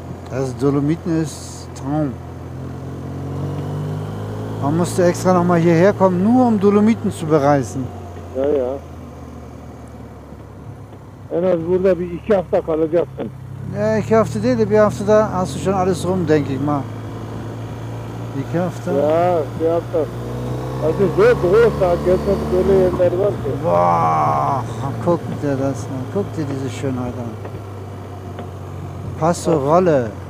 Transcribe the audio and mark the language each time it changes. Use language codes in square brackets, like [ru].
[de] Das Dolomiten ist Traum. Man musste extra noch mal hierher kommen, nur um Dolomiten zu bereisen. Ja, ja. [tr] En az burada bir iki hafta kalacaksın. Ne iki hafta değil de bir hafta da [de] hast schon alles rum denke ich mal. [tr] İki hafta. Ya, iki hafta. Hadi zor doğru saat gelsin böyle yerler var ki. [de] Vah, guck dir das an. Guck dir diese Schönheit an. Passo Rolle.